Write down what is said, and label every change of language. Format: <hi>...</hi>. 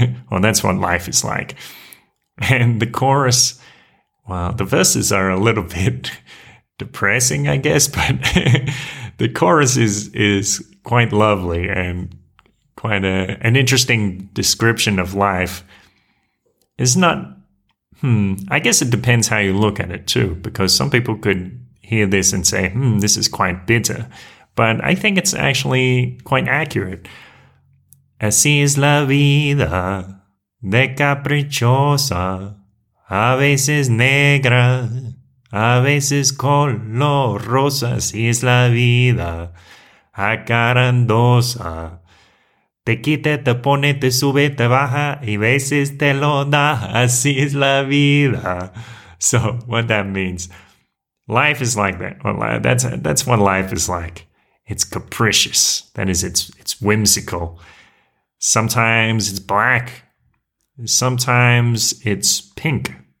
<en>Well, that's what life is like. And the chorus, well, the verses are a little bit depressing, I guess, but the chorus is quite lovely and quite an interesting description of life. It's not, I guess it depends how you look at it too, because some people could hear this and say, this is quite bitter. But I think it's actually quite accurate.</en> <es>Así es la vida, de caprichosa, a veces negra, a veces color rosa. Así es la vida, acarandosa, te quita, te pone, te sube, te baja, y veces te lo da. Así es la vida.</es> <en>So what that means, life is like that. Well, that's what life is like. It's capricious. That is, it's whimsical. Sometimes it's black. Sometimes it's pink.</en>